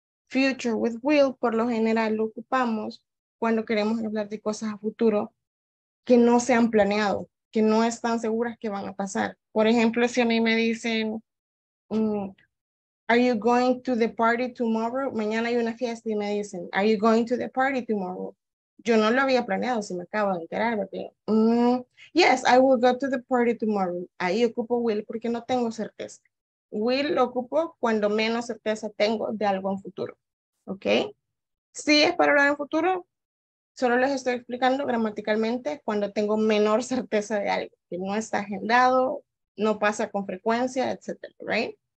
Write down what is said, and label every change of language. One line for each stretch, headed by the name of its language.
Spanish: Future with will, por lo general, lo ocupamos cuando queremos hablar de cosas a futuro que no se han planeado, que no están seguras que van a pasar. Por ejemplo, si a mí me dicen...
English: Are you going to the party tomorrow?
Spanish: Mañana hay una fiesta y me dicen,
English: are you going to the party tomorrow?
Spanish: Yo no lo había planeado, si me acabo de enterar.
English: Yes, I will go to the party tomorrow.
Spanish: Ahí ocupo will porque no tengo certeza. Will lo ocupo cuando menos certeza tengo de algo en futuro. ¿Ok? Si es para hablar en futuro, solo les estoy explicando gramaticalmente cuando tengo menor certeza de algo. Que no está agendado, no pasa con frecuencia, etc. ¿Right?